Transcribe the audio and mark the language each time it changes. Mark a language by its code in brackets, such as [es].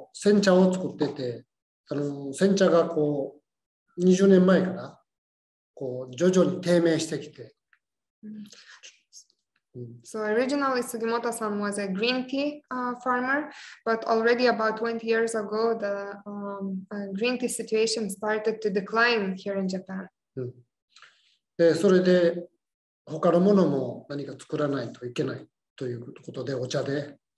[ja] あの、10年前ぐらいですかね。そのまたあの、スタートの少し説明できますか。どうやってその和紅茶することでしたか。はい。まあ、ずっと緑茶を、煎茶を作ってて、あの、煎茶がこう 20年前からこう徐々に低迷してきて。So [en] originally Sugimoto-san was a green tea farmer, but already about 20 years ago the green tea situation started to decline here in Japan. [ja] で、それで他のものも何か作らないといけないということでお茶で。